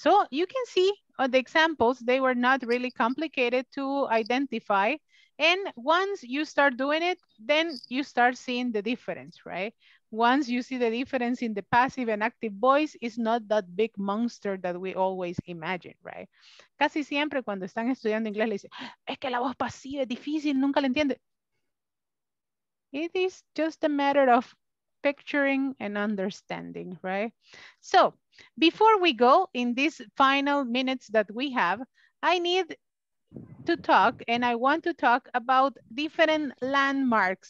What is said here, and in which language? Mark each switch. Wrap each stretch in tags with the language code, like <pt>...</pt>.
<en>So you can see on the examples, they were not really complicated to identify. And once you start doing it, then you start seeing the difference, right? Once you see the difference in the passive and active voice, it's not that big monster that we always imagine, right?</en> <es>Casi siempre cuando están estudiando inglés, le dicen, es que la voz pasiva es difícil, nunca la entiende.</es> <en>It is just a matter of picturing and understanding, right? So, before we go in these final minutes that we have, I need to talk and I want to talk about different landmarks.</en>